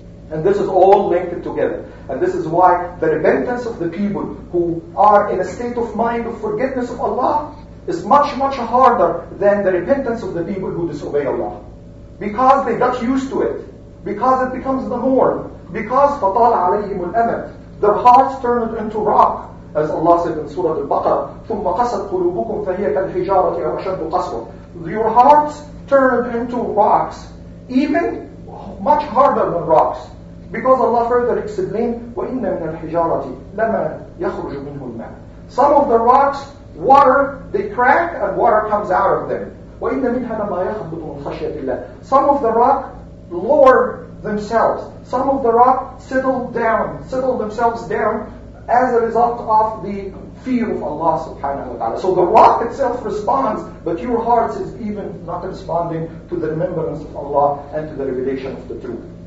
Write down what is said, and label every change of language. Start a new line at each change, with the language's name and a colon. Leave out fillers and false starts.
English: And this is all linked together. And this is why the repentance of the people who are in a state of mind of forgiveness of Allah is much, much harder than the repentance of the people who disobey Allah. Because they got used to it. Because it becomes the norm. Because
Arabic: فَطَالَ عَلَيْهِمُ الْأَمَدُ,
English: their hearts turned into rock. As Allah said in Surah Al-Baqarah,
Arabic: ثُمَّ قَسَدْ قُلُوبُكُمْ فَهِيَ كَالْحِجَارَةِ أَوْ أَشَدُّ قَسْوَةً.
English: Your hearts turned into rocks. Even much harder than rocks. Because Allah further explained,
Arabic: وَإِنَّ مِنَ الْحِجَارَةِ لَمَا يَخْرُجُ مِنْهُ الْمَاءُ.
English: Some of the rocks, water, they crack and water comes out of them.
Arabic: وَإِنَّ مِنْهَا لَمَا يَخْبُطُ مِنْ خَشْيَةِ اللَّهِ.
English: Some of the rock lower themselves. Some of the rock settle themselves down as a result of the fear of Allah subhanahu wa ta'ala. So the rock itself responds, but your heart is even not responding to the remembrance of Allah and to the revelation of the truth.